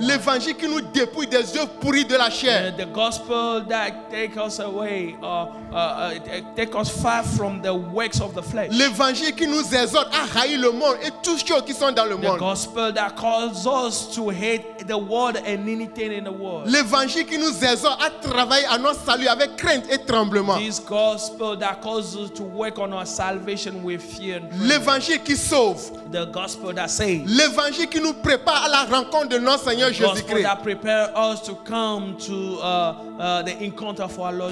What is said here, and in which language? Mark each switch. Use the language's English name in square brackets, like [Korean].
[French] L'évangile qui nous dépouille des œuvres pourries de la chair. [English] The gospel that takes us away or take us far from the works of the flesh. [French] L'évangile qui nous exhorte à haïr le monde et tous ceux qui sont dans le monde. [English] The gospel that calls us to hate the world and anything in the world. [French] L'évangile évangile qui nous exhorte à travailler à notre salut avec crainte et tremblement. [English] This gospel that causes us to work on our salvation with fear and trembling. [French] L'évangile qui sauve. [English] The gospel that saves. [French] L'évangile qui nous prépare à la rencontre de notre Seigneur Jésus-Christ. [English] That prepares us to come to the encounter for our Lord.